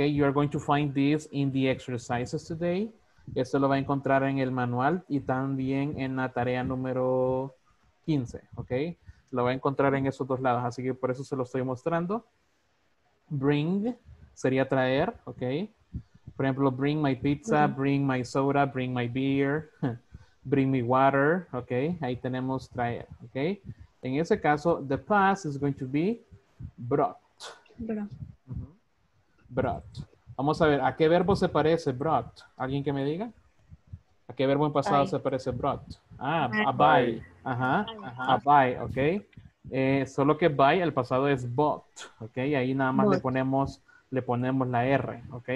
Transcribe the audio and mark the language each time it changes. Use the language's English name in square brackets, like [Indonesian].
[English] You are going to find this in the exercises today. [Spanish] Esto lo va a encontrar en el manual y también en la tarea número 15, ok. Lo va a encontrar en esos dos lados, así que por eso se lo estoy mostrando. [English] Bring [Spanish] sería traer, [English] ok. [Spanish] Por ejemplo, [English] bring my pizza, bring my soda, bring my beer, bring me water, ok. [Spanish] Ahí tenemos traer, ok. En ese caso, [English] the past is going to be brought. Brought. [Spanish] Vamos a ver, ¿a qué verbo se parece brought? ¿Alguien que me diga? ¿A qué verbo en pasado se parece brought? Ah, a buy. Ajá, a buy, ok. Solo que buy, el pasado es bought, ok. Ahí nada más le ponemos la R, ok.